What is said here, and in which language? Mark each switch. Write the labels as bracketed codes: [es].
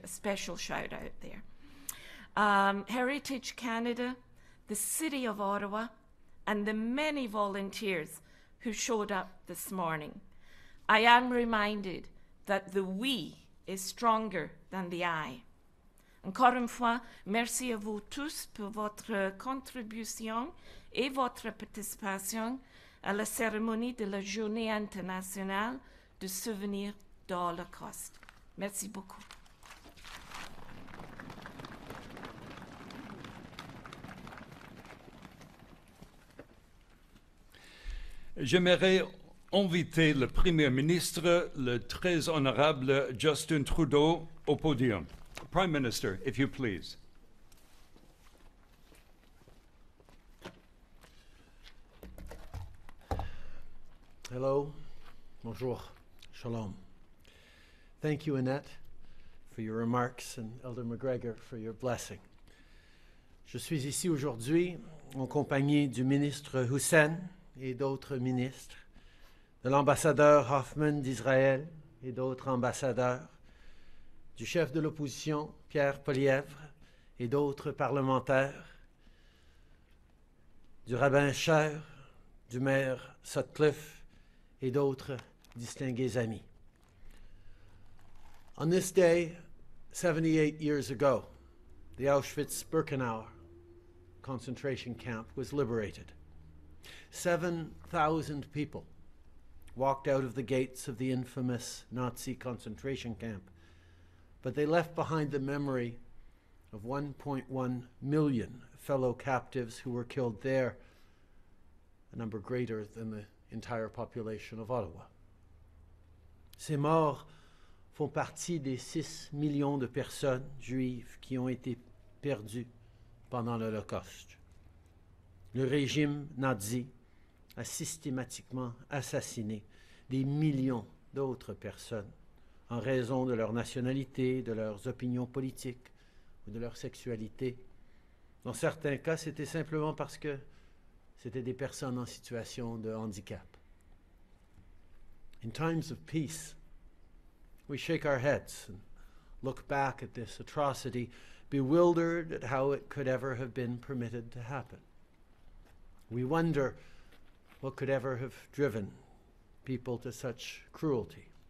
[en] A special shout out there. Heritage Canada, the City of Ottawa, and the many volunteers who showed up this morning. I am reminded that the we is stronger than the I. [fr] Encore une fois, merci à vous tous pour votre contribution et votre participation à la cérémonie de la Journée internationale de souvenir d'Holocauste. Merci beaucoup. J'aimerais inviter le Premier ministre, le très honorable Justin Trudeau, au podium. [en] Prime Minister, if you please. Hello, bonjour, shalom. Thank you, Annette, for your remarks, and Elder McGregor for your blessing. [fr] Je suis ici aujourd'hui en compagnie du ministre Hussen et d'autres ministres, de l'ambassadeur Hoffman d'Israël et d'autres ambassadeurs, du chef de l'opposition, Pierre Poilievre, et d'autres parlementaires, du rabbin Scher, du maire Sutcliffe, et d'autres distingués amis. [en] On this day, 78 years ago, the Auschwitz-Birkenau concentration camp was liberated. 7,000 people walked out of the gates of the infamous Nazi concentration camp, but they left behind the memory of 1.1 million fellow captives who were killed there, a number greater than the entire population of Ottawa. [fr] Ces morts font partie des 6 millions de personnes juives qui ont été perdues pendant l'Holocauste. Le régime nazi a systématiquement assassiné des millions d'autres personnes en raison de leur nationalité, de leurs opinions politiques ou de leur sexualité. Dans certains cas, c'était simplement parce que c'était des personnes en situation de handicap. [en] In times of peace, we shake our heads and look back at this atrocity, bewildered at how it could ever have been permitted to happen. We wonder what could ever have driven people to such cruelty.